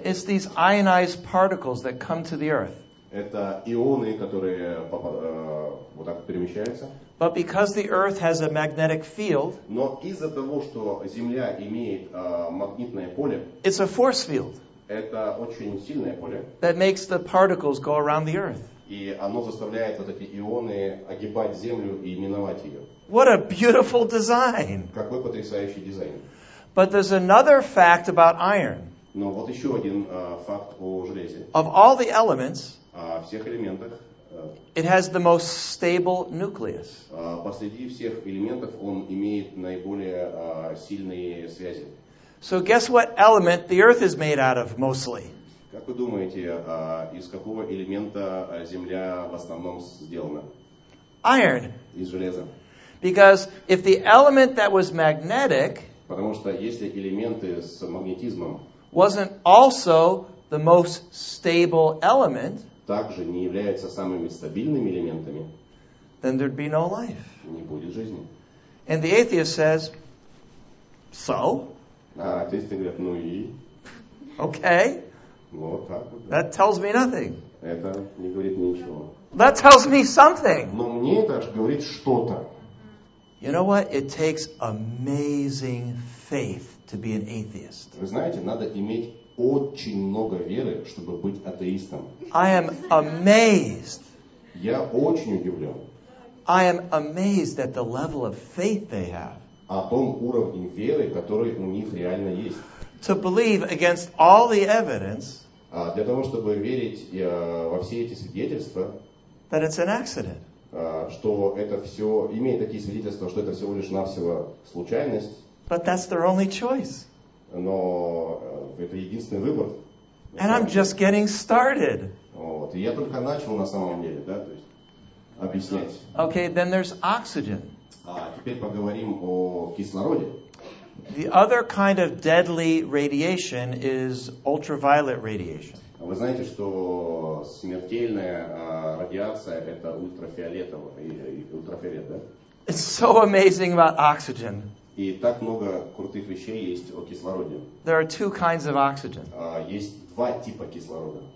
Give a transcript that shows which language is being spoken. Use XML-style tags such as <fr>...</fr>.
<en>It's these ionized particles that come to the earth.</en> <ru>Это ионы, которые вот так перемещаются.</ru> <en>But because the Earth has a magnetic field,</en> <ru>Но из-за того, что Земля имеет магнитное поле,</ru> <en>it's a force field</en> <ru>это очень сильное поле,</ru> <en>that makes the particles go around the Earth.</en> <ru>И оно заставляет вот эти ионы огибать Землю и миновать ее.</ru> <en>What a beautiful design!</en> <ru>Какой потрясающий дизайн!</ru> <en>But there's another fact about iron.</en> <ru>Но вот еще один факт о железе.</ru> <en>Of all the elements,</en> <ru>всех элементах,</ru> <en>It has the most stable nucleus.</en> <ru>Посреди всех элементов он имеет наиболее сильные связи.</ru> <en>So guess what element the Earth is made out of mostly?</en> <ru>Как вы думаете, из какого элемента Земля в основном сделана?</ru> <en>Iron.</en> <ru>Из железа.</ru> <en>Because if the element that was magnetic,</en> <ru>потому что если элементы с магнетизмом,</ru> <en>wasn't also the most stable element.</en> <ru>Также не является самыми стабильными элементами.</ru> <en>Then there'd be no life.</en> <ru>Не будет жизни.</ru> <en>And the atheist says, so?</en> <ru>Атеисты говорят, ну и?</ru> <en>Okay.</en> <ru>Вот так вот.</ru> <en>That tells me nothing.</en> <ru>Это не говорит ничего.</ru> <en>That tells me something.</en> <ru>Но мне это же говорит что-то.</ru> <en>You know what? It takes amazing faith to be an atheist.</en> <ru>Вы знаете, надо иметь очень много веры, чтобы быть атеистом.</ru> <en>I am amazed.</en> <ru>Я очень удивлен.</ru> <en>I am amazed at the level of faith they have.</en> <ru>О том уровне веры, который у них реально есть.</ru> <en>To believe against all the evidence.</en> <ru>Для того, чтобы верить во все эти свидетельства.</ru> <en>That it's an accident.</en> <ru>Что это все имеет такие свидетельства, что это всего лишь навсего случайность.</ru> <en>But that's their only choice.</en> <ru>Но это единственный выбор.</ru> <en>And I'm just getting started.</en> <ru>Вот. И я только начал на самом деле, да, то есть объяснять.</ru> <en>Okay, then there's oxygen.</en> <ru>Теперь поговорим о кислороде.</ru> <en>The other kind of deadly radiation is ultraviolet radiation.</en> <ru>Вы знаете, что смертельная радиация это ультрафиолет, да?</ru> <en>It's so amazing about oxygen.</en> <ru>И так много крутых вещей есть о кислороде.</ru> <en>There are two kinds of oxygen.</en> <ru>Есть два типа кислорода.</ru>